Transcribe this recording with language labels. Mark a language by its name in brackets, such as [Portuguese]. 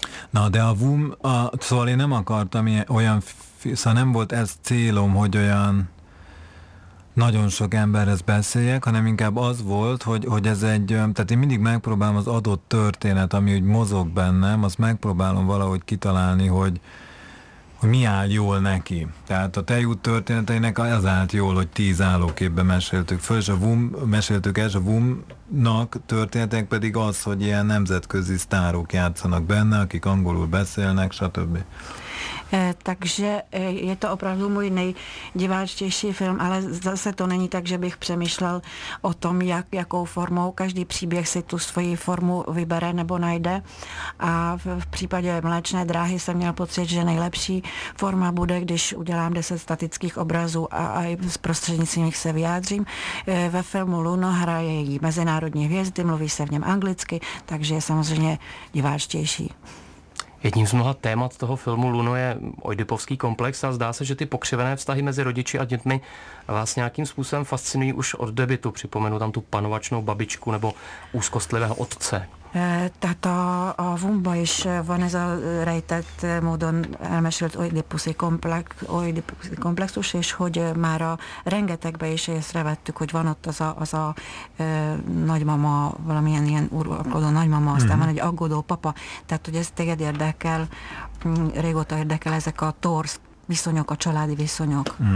[Hungarian] Na, de a vům, a szóval én nem akartam olyan, szóval nem volt ez célom, hogy olyan nagyon sok emberhez beszéljek, hanem inkább az volt, hogy ez egy, tehát én mindig megpróbálom az adott történet, ami úgy mozog bennem, azt megpróbálom valahogy kitalálni, hogy mi áll jól neki. Tehát a Tejút történeteinek az állt jól, hogy 10 állóképbe meséltük föl, és a WUM, meséltük el, és a WUM-nak történetek pedig az, hogy ilyen nemzetközi sztárok játszanak benne, akik angolul beszélnek, stb. [Czech] Takže je to opravdu můj nejdiváčtější film, ale zase to není tak, že bych přemýšlel o tom, jakou formou každý příběh si tu svoji formu vybere nebo najde. A v případě Mléčné dráhy jsem měl pocit, že nejlepší forma bude, když udělám 10 statických obrazů a z prostřednictvím jich se vyjádřím. Ve filmu Luno hraje její mezinárodní hvězdy, mluví se v něm anglicky, takže je samozřejmě diváčtější. Jedním z mnoha témat toho filmu Luno je oidipovský komplex a zdá se, že ty pokřivené vztahy mezi rodiči a dětmi vás nějakým způsobem fascinují už od debutu. Připomenu tam tu panovačnou babičku nebo úzkostlivého otce. [Hungarian] Tehát a Wumba is van ez a rejtett módon elmesélt oidipuszi komplexus, és hogy már a rengetegbe is észrevettük, hogy van ott az a nagymama, valamilyen ilyen uralkodó nagymama, aztán van egy aggódó papa, tehát hogy ez téged érdekel, régóta érdekel ezek a torz viszonyok, a családi viszonyok.